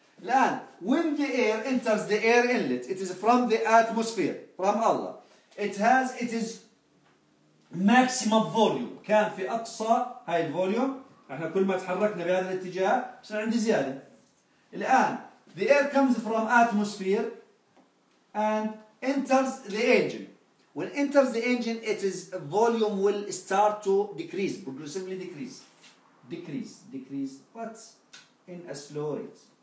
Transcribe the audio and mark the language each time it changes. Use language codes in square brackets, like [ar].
[en] Then, when the air enters the air inlet, it is from the atmosphere, from Allah. It is maximum volume. [ar] كان في أقصى هاي الفوليوم. إحنا كل ما تحركنا بهذا الاتجاه صار عندي زيادة. الآن, [en] the air comes from atmosphere and enters the engine. When enters the engine, it is volume will start to decrease, progressively decrease. Decrease, but in a slow rate.